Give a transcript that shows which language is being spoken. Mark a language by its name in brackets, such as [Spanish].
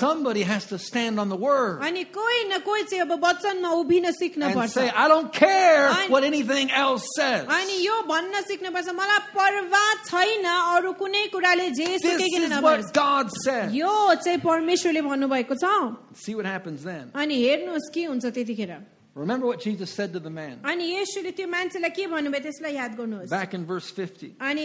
[English] Somebody has to stand on the word. [Nepali] अनि कोही न कोही चाहिँ अब वचनमा उभिन सिक्न पर्छ. [English] And say, I don't care what anything else says. [Nepali] अनि यो भन्न सिक्न पर्छ. मलाई परवा छैन अरु कुनै कुराले जे सुके किन नभए. [English] This is what God said. [Nepali] यो चाहिँ परमेश्वरले भन्नु भएको छ. [English] See what happens then. [Nepali] अनि हेर्नुस् के हुन्छ त्यतिखेर. [English] Remember what Jesus said to the man. Back in verse 50.